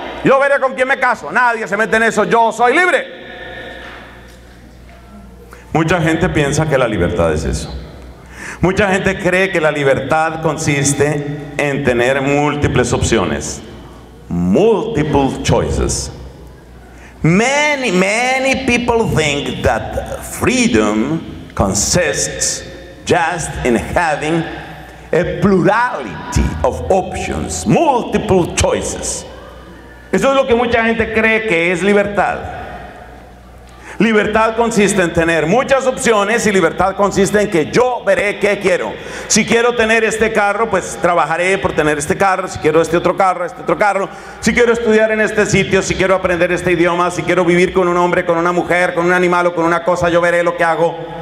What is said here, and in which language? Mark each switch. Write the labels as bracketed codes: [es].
[es] Yo veré con quién me caso. Nadie se mete en eso. Yo soy libre. Mucha gente piensa que la libertad es eso. Mucha gente cree que la libertad consiste en tener múltiples opciones. [en] Multiple choices. Many people think that freedom consists just in having a plurality of options, multiple choices. [es] Eso es lo que mucha gente cree que es libertad. Libertad consiste en tener muchas opciones y libertad consiste en que yo veré qué quiero. Si quiero tener este carro, pues trabajaré por tener este carro. Si quiero este otro carro. Si quiero estudiar en este sitio, si quiero aprender este idioma, si quiero vivir con un hombre, con una mujer, con un animal o con una cosa, yo veré lo que hago.